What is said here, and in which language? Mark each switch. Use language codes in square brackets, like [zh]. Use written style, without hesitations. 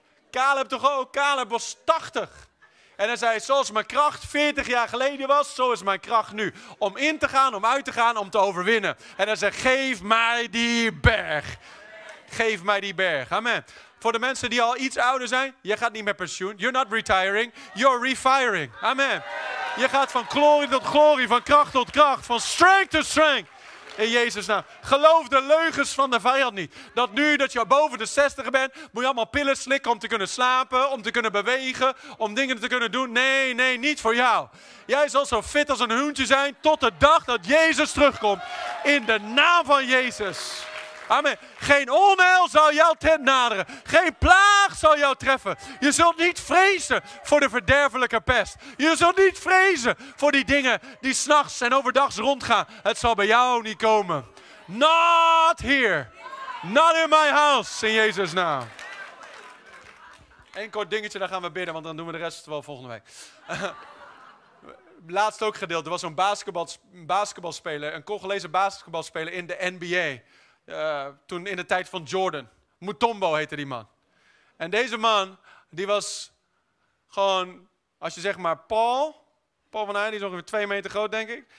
[nl] Caleb toch ook? Caleb was 80. En hij zei, zoals mijn kracht 40 jaar geleden was, zo is mijn kracht nu. Om in te gaan, om uit te gaan, om te overwinnen. En hij zei, geef mij die berg. Geef mij die berg. Amen. Voor de mensen die al iets ouder zijn, je gaat niet met pensioen. [en] You're not retiring, you're refiring. Amen. [nl] Je gaat van glorie tot glorie, van kracht tot kracht, van [en] strength to strength. [nl] In Jezus' naam. Geloof de leugens van de vijand niet. Dat nu dat je boven de 60 bent, moet je allemaal pillen slikken om te kunnen slapen, om te kunnen bewegen, om dingen te kunnen doen. Nee, niet voor jou. Jij zal zo fit als een hoentje zijn tot de dag dat Jezus terugkomt. In de naam van Jezus. Amen. Geen onheil zal jouw tent naderen. Geen plaag zal jou treffen. Je zult niet vrezen voor de verderfelijke pest. Je zult niet vrezen voor die dingen die 's nachts en overdags rondgaan. Het zal bij jou niet komen. [en] Not here. Not in my house. [nl] In Jezus' naam. Eén kort dingetje, dan gaan we bidden, want dan doen we de rest wel volgende week. Laatst ook gedeeld, er was zo'n basketbalspeler, een Congolese basketbalspeler in de NBA. Toen in de tijd van Jordan. Mutombo heette die man. En deze man, die was gewoon, als je zeg maar Paul van Heijn, die is ongeveer 2 meter groot, denk ik.